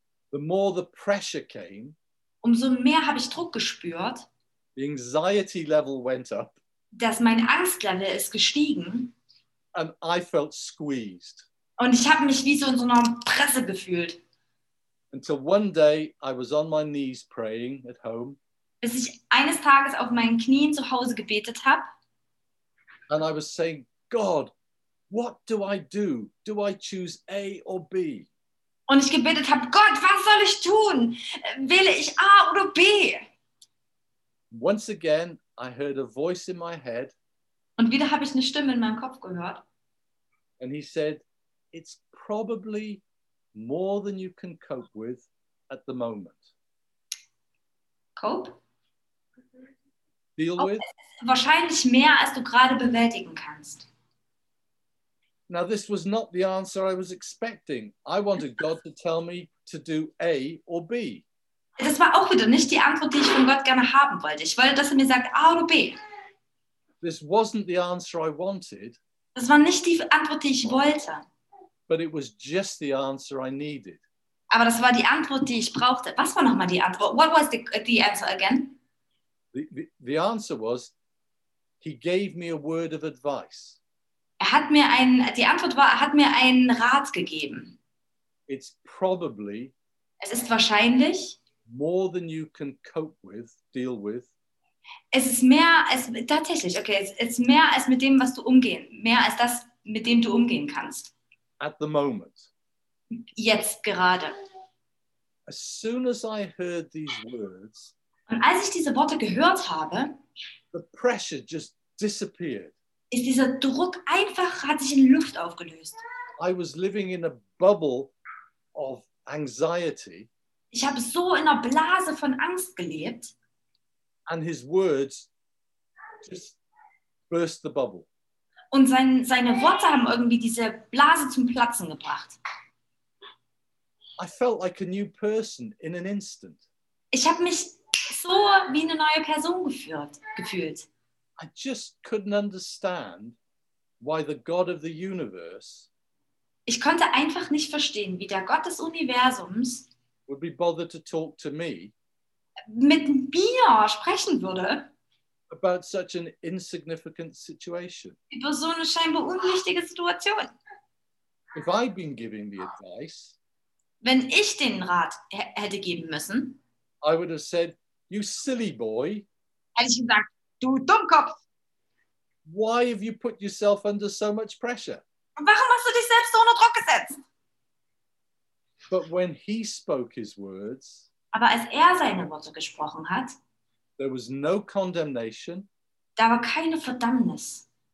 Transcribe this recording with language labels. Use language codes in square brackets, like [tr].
[en] the more the pressure came, [de] umso mehr habe ich Druck gespürt. [en] The anxiety level went up. [de] Dass mein Angstlevel ist gestiegen. [en] And I felt squeezed. [de] Und ich habe mich wie so in so einer Presse gefühlt. [en] Until one day I was on my knees praying at home. [de] Bis ich eines Tages auf meinen Knien zu Hause gebetet habe. [en] And I was saying, God, what do I do? Do I choose A or B? [de] Und ich gebetet habe, Gott, was soll ich tun? Wähle ich A oder B? [en] Once again, I heard a voice in my head. [de] Und wieder habe ich eine Stimme in meinem Kopf gehört. [en] And he said, it's probably more than you can cope with at the moment. Cope? Deal with? [de] Wahrscheinlich mehr, als du gerade bewältigen kannst. [en] Now this was not the answer I was expecting. I wanted God to tell me to do A or B. [de] Das war auch wieder nicht die Antwort, die ich von Gott gerne haben wollte. Ich wollte, dass er mir sagt, A oder B. [en] This wasn't the answer I wanted. [de] Das war nicht die Antwort, die ich wollte. [en] But it was just the answer I needed. [de] Aber das war die Antwort, die ich brauchte. Was war nochmal die Antwort? [en] What was the answer again? The answer was, he gave me a word of advice. [de] Die Antwort war, er hat mir einen Rat gegeben. [en] It's probably. [de] Es ist wahrscheinlich. [en] More than you can cope with, deal with. [de] Es ist mehr als tatsächlich, okay, es ist mehr als mit dem, was du umgehen, mehr als das, mit dem du umgehen kannst. [en] At the moment. [de] Jetzt gerade. [en] As soon as I heard these words. [de] Und als ich diese Worte gehört habe, [en] the pressure just disappeared. [de] Ist dieser Druck einfach, hat sich in Luft aufgelöst. [en] I was living in a bubble of anxiety. [de] Ich habe so in einer Blase von Angst gelebt. [en] And his words just burst the bubble. [de] Und seine Worte haben irgendwie diese Blase zum Platzen gebracht. [en] I felt like a new person in an instant. [de] Ich habe mich so wie eine neue Person gefühlt. [en] I just couldn't understand why the God of the universe [de] Ich konnte einfach nicht verstehen, wie der Gott des Universums [en] would be bothered to talk to me [de] mit mir sprechen würde [en] about such an insignificant situation. [de] Über so eine scheinbar unwichtige Situation. [en] If I'd been giving the advice, [de] wenn ich den Rat hätte geben müssen, [en] I would have said, you silly boy, [de] hätte ich gesagt, du Dummkopf, [en] why have you put yourself under so much pressure? [de] Warum hast du dich selbst so unter Druck gesetzt? [en] But when he spoke his words, [de] aber als er seine Worte gesprochen hat, [en] there was no condemnation, [de] da war keine Verdammnis,